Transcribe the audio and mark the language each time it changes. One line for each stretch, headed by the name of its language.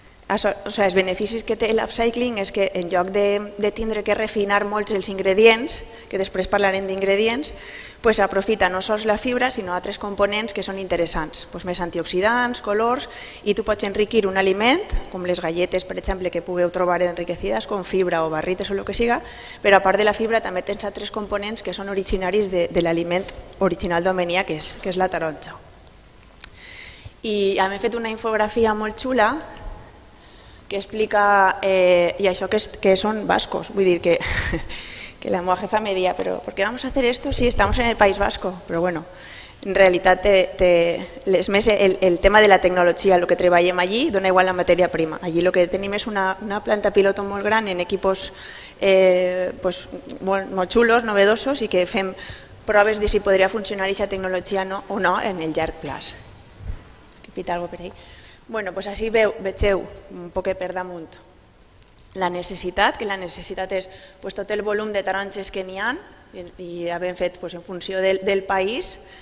Catalan: Els beneficis que té l'upcycling és que en lloc de tindre que refinar molts els ingredients, que després parlarem d'ingredients, pues aprofita no sols la fibra, sinó altres components que són interessants, pues més antioxidants, colors, i tu pots enriquir un aliment, com les galletes, per exemple, que pugueu trobar enriquecides, com fibra o barrites o el que siga, però a part de la fibra també tens altres components que són originaris de l'aliment original d'Omenia, que és la taronja. I hem fet una infografia molt xula, que explica,
Spanish: y eso que son vascos, voy a decir que la moja jefa me decía, pero ¿por qué vamos a hacer esto si estamos en el País Vasco? Pero bueno, en realidad es más el tema de la tecnología, lo que trabajamos allí, da igual la materia prima. Allí lo que tenemos es una planta piloto muy grande en equipos pues, muy chulos, novedosos, y que fem pruebas de si podría funcionar esa tecnología no, o no
Catalan: en el llarg plaç.
Spanish: ¿Qué pita algo por ahí?
Catalan: Bueno, pues així vegeu un poquet per damunt la necessitat, que la necessitat és pues, tot el volum de taronges que n'hi ha i havent fet pues, en funció del país.